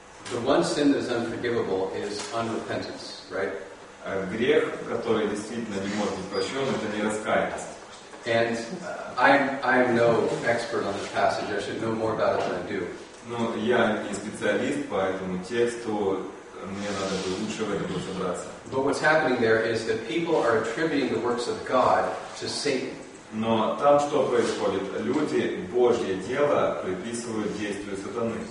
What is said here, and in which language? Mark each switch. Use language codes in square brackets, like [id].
[en] The one sin that is unforgivable is unrepentance, right? [ru] Грех, который действительно не может быть прощен, это не раскаяность. [en] And I'm no expert on this passage. I should know more about it than I do. [ru] Но я не специалист по этому тексту. Мне надо бы лучше в этом разобраться. [en] But what's happening there is that people are attributing the works of God to Satan. [ru] Но там что происходит? Люди Божье дело приписывают действию сатаны.